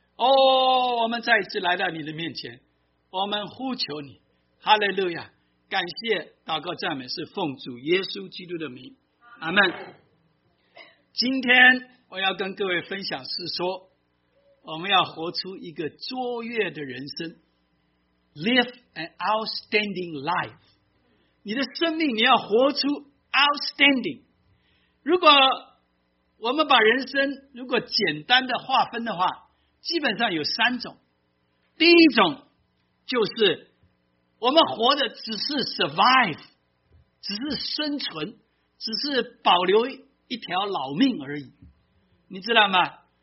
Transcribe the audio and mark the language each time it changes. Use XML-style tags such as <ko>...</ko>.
<zh>哦，我们再一次来到你的面前，我们呼求你。哈利路亚，感谢祷告赞美是奉主耶稣基督的名，阿们。今天我要跟各位分享是说，我们要活出一个卓越的人生。</zh> <en>Live an outstanding life.</en> <zh>你的生命你要活出 outstanding. 如果我们把人生如果简单的划分的话，基本上有三种。第一种就是我们活的只是 survive， 只是生存，只是保留一条老命而已。你知道吗？</zh>